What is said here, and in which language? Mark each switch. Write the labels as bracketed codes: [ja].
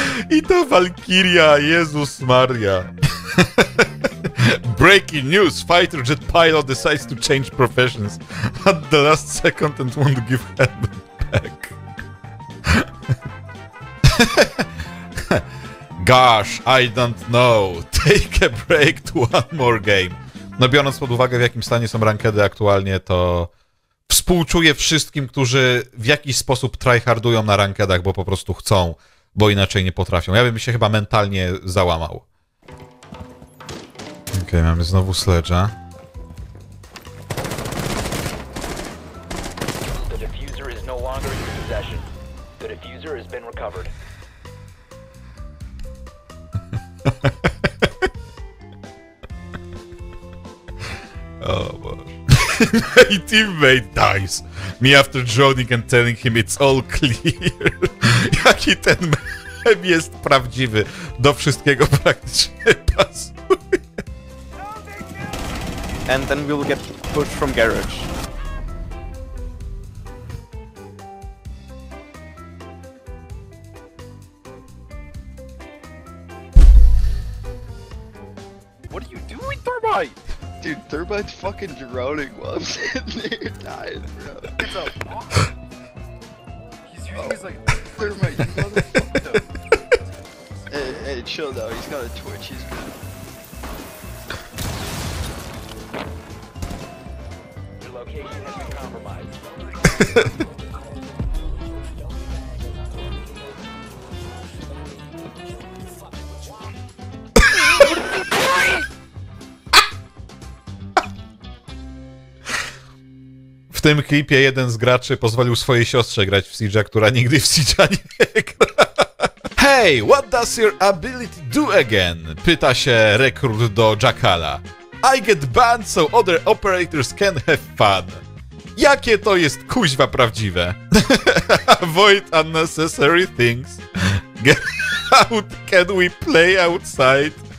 [pl] I ta Valkyria, Jezus Maria. [en] Breaking news, fighter jet pilot decides to change professions at the last second and won't give help back. Gosh, I don't know. Take a break to one more game. [pl] No biorąc pod uwagę, w jakim stanie są rankedy aktualnie, to współczuję wszystkim, którzy w jakiś sposób tryhardują na rankedach, bo po prostu chcą, bo inaczej nie potrafią. Ja bym się chyba mentalnie załamał. Okej, mamy znowu sledge'a. [en] The diffuser is no longer in your possession. The diffuser has been recovered. My teammate dies. Me after joining and telling him it's all clear. [pl] Jaki ten mem jest prawdziwy. Do wszystkiego praktycznie pasuje. [en] And then we'll get pushed from garage. What are you doing, Thermite? Dude, Thermite's fucking droning while I'm sitting there dying, bro. He's using his, like, Thermite, you motherfucker. Hey, chill though, he's got a Twitch, he's good. Your location has been compromised. [pl] W tym klipie jeden z graczy pozwolił swojej siostrze grać w Siege'a, która nigdy w Siege'a nie gra. [en] Hey, what does your ability do again? [pl] Pyta się rekrut do Jackala. [en] I get banned so other operators can have fun. [pl] Jakie to jest kuźwa prawdziwe? [en] Avoid unnecessary things. Get out, can we play outside?